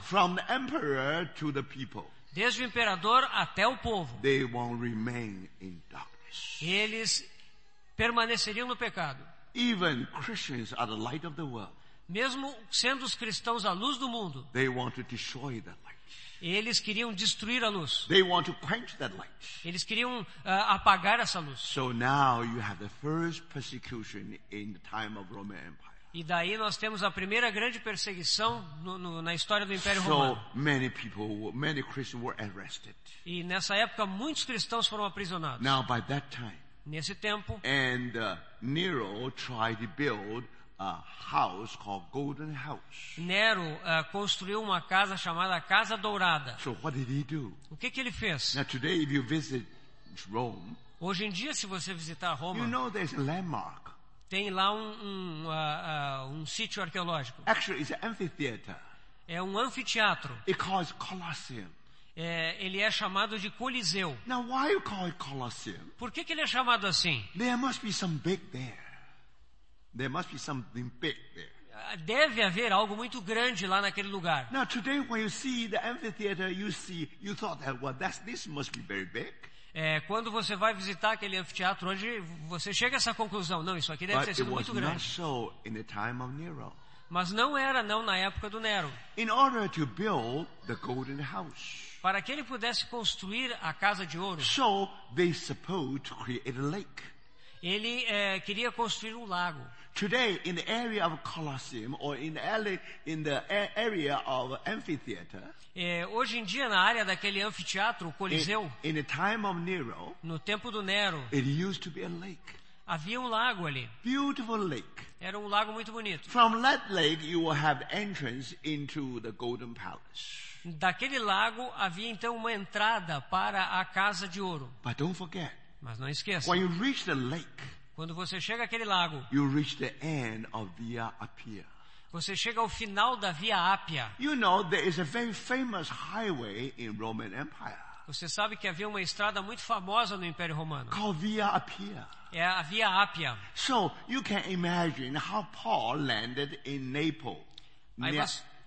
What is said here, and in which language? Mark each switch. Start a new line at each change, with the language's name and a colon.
English: From the emperor to the people.
Portuguese: Desde o imperador até o povo.
English: They won't remain in darkness.
Portuguese: Eles permaneceriam no pecado.
English: Even Christians are the light of the world.
Portuguese: Mesmo sendo os cristãos a luz do mundo.
English: They want to destroy the light.
Portuguese: Eles queriam destruir a luz.
English: They want to quench that light.
Portuguese: Eles queriam apagar essa luz.
English: So now you have the first persecution in the time of Roman Empire.
Portuguese: E daí nós temos a primeira grande perseguição na história do Império Romano.
English: So many people, many Christians were arrested.
Portuguese: E nessa época muitos cristãos foram aprisionados.
English: Now, by that time,
Portuguese: nesse tempo,
English: and Nero tried to build a house called Golden House.
Portuguese: Nero construiu uma casa chamada Casa Dourada.
English: So what did he do?
Portuguese: O que ele fez?
English: Now today, if you visit Rome,
Portuguese: hoje em dia se você visitar Roma,
English: you know there's a landmark.
Portuguese: Tem lá um sítio arqueológico.
English: Actually, it's an amphitheater.
Portuguese: É um anfiteatro.
English: It calls Colosseum.
Portuguese: Ele é chamado de Coliseu.
English: Now, why you call it Colosseum?
Portuguese: Por que ele é chamado assim?
English: There must be some big there. There must be something big there.
Portuguese: Deve haver algo muito grande lá naquele lugar.
English: Now, today, when you see the amphitheater, you thought that, well, that's, this must be very big.
Portuguese: Quando você vai visitar aquele anfiteatro hoje, você chega a essa conclusão. Não, isso aqui deve ter sido muito grande.
English: So in the time of Nero.
Portuguese: Mas não era não na época do Nero.
English: In order to build the golden house.
Portuguese: Para que ele pudesse construir a casa de ouro.
English: So they supposed to create a lake.
Portuguese: Ele queria construir um lago.
English: Today, in the area of Colosseum or in the area of amphitheater.
Portuguese: Hoje em dia na área daquele anfiteatro, o Coliseu.
English: In the time of Nero.
Portuguese: No tempo do Nero.
English: It used to be a lake.
Portuguese: Havia um lago ali.
English: Beautiful lake.
Portuguese: Era um lago muito bonito.
English: From that lake, you will have entrance into the Golden Palace.
Portuguese: Daquele lago havia então uma entrada para a Casa de Ouro.
English: But don't forget.
Portuguese: Mas não esqueça.
English: When you reach the lake.
Portuguese: Quando você chega àquele lago,
English: you reach the end of Via Appia.
Portuguese: Você chega ao final da Via Appia.
English: You know there is a very famous highway in Roman Empire.
Portuguese: Você sabe que havia uma estrada muito famosa no Império Romano.
English: Called Via Appia.
Portuguese: É a Via Appia.
English: So you can imagine how Paul landed in Naples.